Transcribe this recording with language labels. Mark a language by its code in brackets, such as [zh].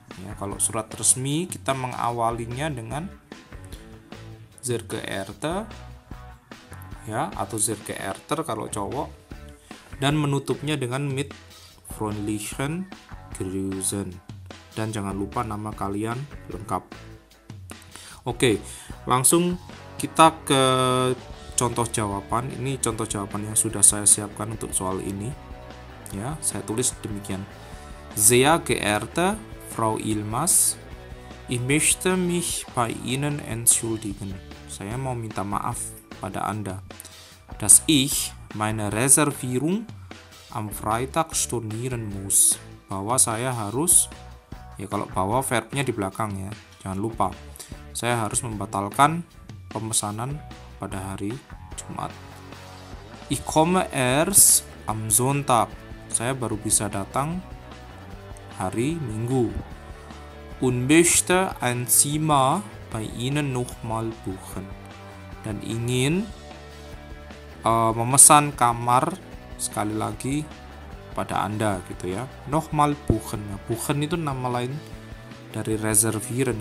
[id] Ya, kalau surat resmi kita mengawalinya dengan [de] Zer geehrter [id] ya atau Zer geehrter kalau cowok, dan menutupnya dengan [de] mit freundlichen Grüßen, [id] dan jangan lupa nama kalian lengkap. Oke, langsung kita ke contoh jawaban. Ini contoh jawaban yang sudah saya siapkan untuk soal ini. Ja, saya tulis demikian. [de] Sehr geehrte Frau Ilmas, ich möchte mich bei Ihnen entschuldigen. [id] Saya mau minta maaf pada Anda, [de] dass ich meine Reservierung am Freitag stornieren muss. [id] Bahwa saya harus, ya kalau bahwa verbnya di belakang ya, jangan lupa. Saya harus membatalkan pemesanan pada hari Jumat. [de] Ich komme erst am Sonntag. [id] Saya baru bisa datang hari Minggu. [de] Und möchte ein Zimmer bei Ihnen nochmal buchen. [id] Dan ingin memesan kamar sekali lagi pada Anda gitu ya. [de] Nochmal buchen. [id] Nah, buchen itu nama lain dari reservieren.